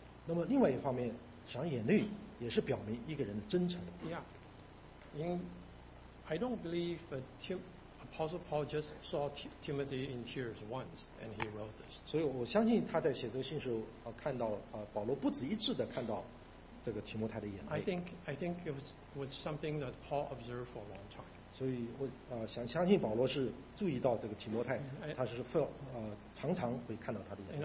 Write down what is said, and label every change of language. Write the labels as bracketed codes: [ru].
[zh] 那么另外一方面，想眼泪也是表明一个人的真诚。 [en] Yeah. I don't believe Apostle Paul just saw Timothy in tears once, and he wrote this. [zh] 所以我相信他在写这个信时候，看到保罗不止一次的看到。这个提摩太的眼泪。 [en] I think it was something that Paul observed for a long time. [zh] 所以我相信保罗是注意到这个提摩太，他是常常会看到他的眼泪。